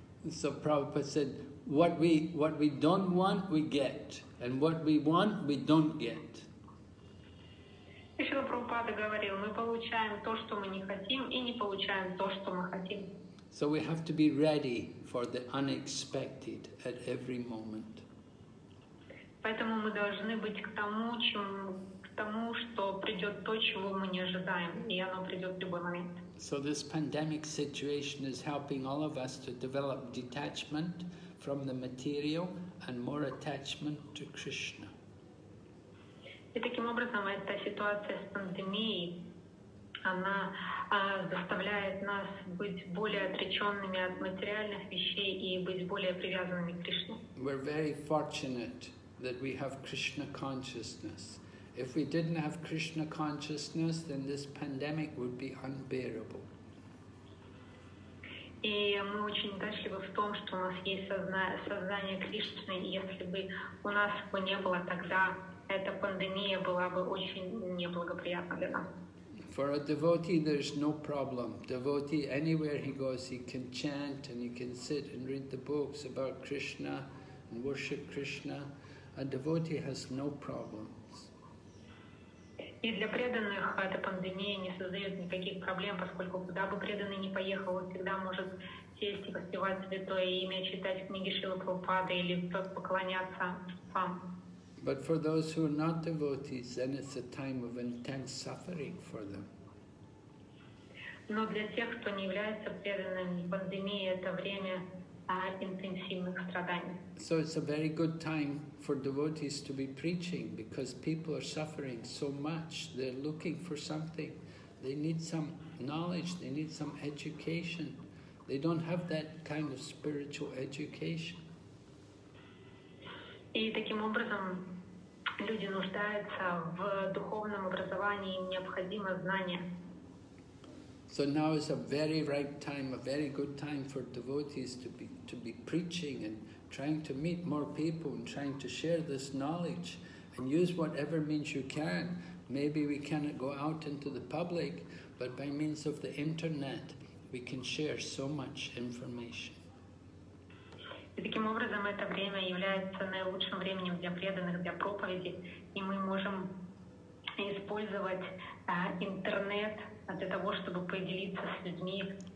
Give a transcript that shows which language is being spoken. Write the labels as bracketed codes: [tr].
[en] So Prabhupada said, what we don't want, we get, and what we want, we don't get. [ru] Шрила Прабхупада говорил, мы получаем то, что мы не хотим, и не получаем то, что мы хотим. [en] So we have to be ready for the unexpected at every moment. [ru] Поэтому мы должны быть к тому, что придет то, чего мы не ожидаем, и оно придет в любой момент. [en] So this pandemic situation is helping all of us to develop detachment from the material and more attachment to Krishna. [ru] И таким образом эта ситуация с пандемией, она заставляет нас быть более отреченными от материальных вещей и быть более привязанными к Кришне. [en] We're very fortunate that we have Krishna consciousness. If we didn't have Krishna consciousness, then this pandemic would be unbearable. [ru] И мы очень удачливы в том, что у нас есть сознание Кришны, и если бы у нас его не было, тогда эта пандемия была бы очень неблагоприятна для нас. [en] For a devotee, there's no problem. Devotee, anywhere he goes, he can chant and he can sit and read the books about Krishna and worship Krishna. A devotee has no problems. [ru] И для преданных эта пандемия не создает никаких проблем, поскольку куда бы преданный ни поехал, он всегда может сесть и воспевать святое имя, читать книги Шрилы Прабхупады или поклоняться сам. [en] But for those who are not devotees, then it's a time of intense suffering for them. [ru] Но для тех, кто не является преданным, пандемия – это время интенсивных страданий. [en] So it's a very good time for devotees to be preaching, because people are suffering so much, they're looking for something. They need some knowledge, they need some education. They don't have that kind of spiritual education. [ru] И таким образом люди нуждаются в духовном образовании, им необходимо знание. [en] So now is a very right time, a very good time for devotees to be preaching and trying to meet more people and trying to share this knowledge and use whatever means you can. Maybe we cannot go out into the public, but by means of the internet we can share so much information. [ru] И таким образом это время является наилучшим временем для преданных, для проповеди, и мы можем использовать интернет для того, чтобы поделиться с людьми.